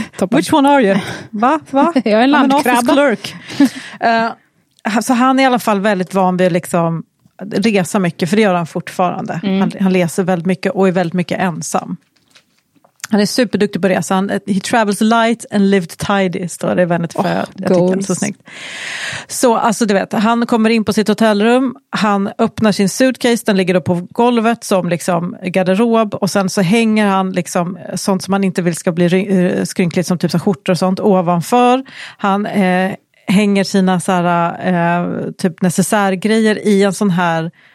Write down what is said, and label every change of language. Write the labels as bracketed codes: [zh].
[en] Which one are you? Va? Va? [sv] Jag är en landkrabba. Så han är i alla fall väldigt van vid liksom resa mycket, för det gör han fortfarande. Mm. Han läser väldigt mycket och är väldigt mycket ensam. Han är superduktig på resa. [en] He travels light and lived tidy, [sv] står det i [en] Vanity Fair. [sv] Jag tycker det är så snyggt. Så, alltså du vet, han kommer in på sitt hotellrum. Han öppnar sin suitcase. Den ligger då på golvet som liksom garderob. Och sen så hänger han liksom sånt som man inte vill ska bli skrynkligt, som typ så skjortor och sånt, ovanför. Han hänger sina så här, typ necessärgrejer i en sån här...